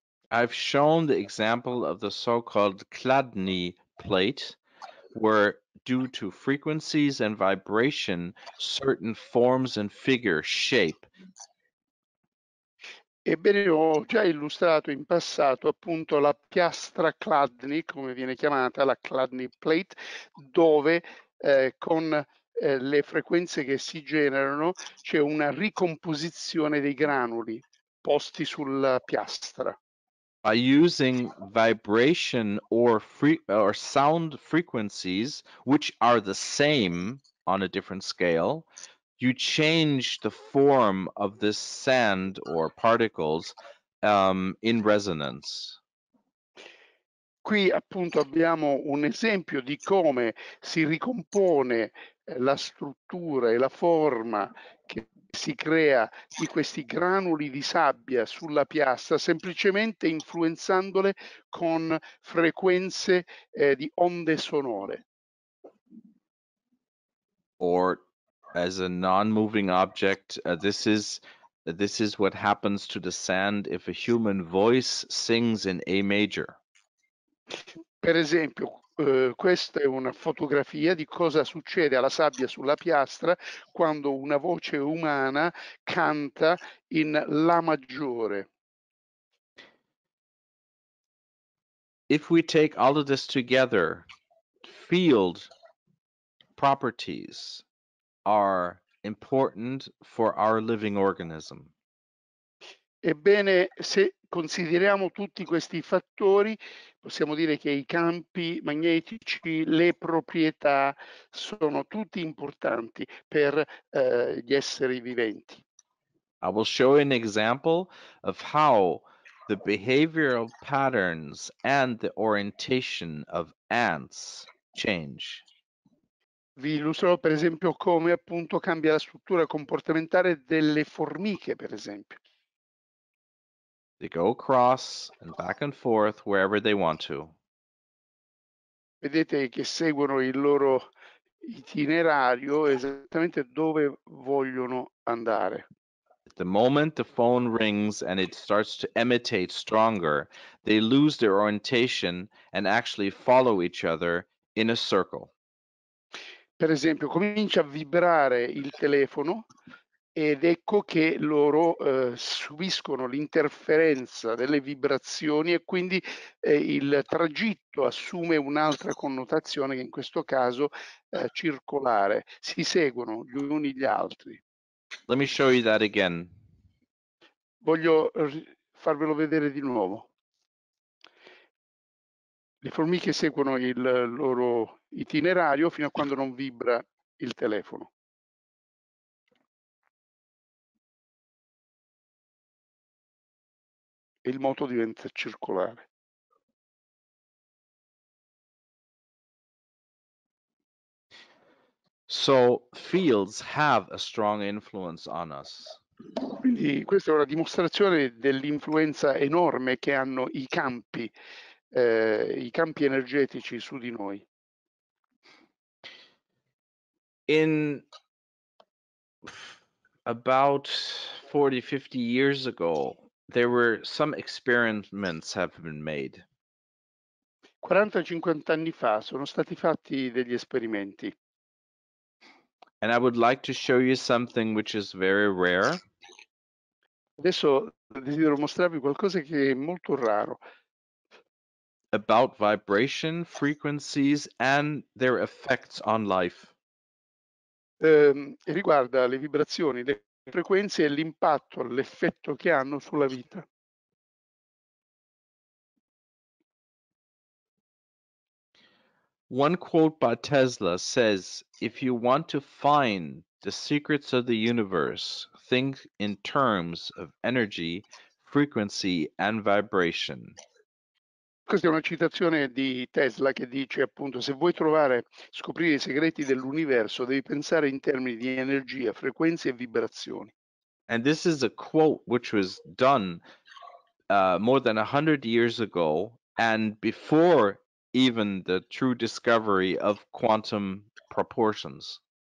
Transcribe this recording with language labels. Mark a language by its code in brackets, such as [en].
[en] I've shown the example of the so-called Chladni plate, where due to frequencies and vibration, certain forms and figure shape. [it] Ebbene, ho già illustrato in passato appunto la piastra Chladni, come viene chiamata, la Chladni plate, dove con le frequenze che si generano c'è una ricomposizione dei granuli posti sulla piastra. [en] By using vibration or sound frequencies, which are the same on a different scale, you change the form of this sand or particles in resonance. [it] Qui appunto abbiamo un esempio di come si ricompone la struttura e la forma che si crea di questi granuli di sabbia sulla piastra semplicemente influenzandole con frequenze di onde sonore. [en] Or as a non-moving object, this is what happens to the sand if a human voice sings in A major. [it] Per esempio, questa è una fotografia di cosa succede alla sabbia sulla piastra quando una voce umana canta in La maggiore. [en] If we take all of this together, field properties are important for our living organism. [it] Ebbene, se consideriamo tutti questi fattori, possiamo dire che i campi magnetici, le proprietà, sono tutti importanti per gli esseri viventi. [en] I will show an example of how the behavioral patterns and the orientation of ants change. [it] Vi illustrerò per esempio come appunto cambia la struttura comportamentale delle formiche, per esempio. [en] They go across and back and forth wherever they want to. [it] Vedete che seguono il loro itinerario esattamente dove vogliono andare. [en] At the moment the phone rings and it starts to imitate stronger, they lose their orientation and actually follow each other in a circle. [it] Per esempio, comincia a vibrare il telefono ed ecco che loro subiscono l'interferenza delle vibrazioni e quindi il tragitto assume un'altra connotazione, che in questo caso circolare. Si seguono gli uni gli altri. [en] Let me show you that again. [it] Voglio farvelo vedere di nuovo. Le formiche seguono il loro itinerario fino a quando non vibra il telefono. Il moto diventa circolare. [en] So fields have a strong influence on us. [it] Quindi questa è una dimostrazione dell'influenza enorme che hanno i campi energetici su di noi. [en] In about 40-50 years ago, there were some experiments have been made. [it] 40-50 anni fa sono stati fatti degli esperimenti. [en] And I would like to show you something which is very rare. [it] Adesso desidero mostrarvi qualcosa che è molto raro. [en] About vibration frequencies and their effects on life. [it] Riguarda le vibrazioni, le frequenze e l'impatto, l'effetto che hanno sulla vita. [en] One quote by Tesla says, if you want to find the secrets of the universe, think in terms of energy, frequency and vibration. [it] Questa è una citazione di Tesla che dice appunto, se vuoi trovare, scoprire i segreti dell'universo, devi pensare in termini di energia, frequenze e vibrazioni. [en] And this is a quote which was done more than 100 years ago and before even the true discovery of quantum proportions.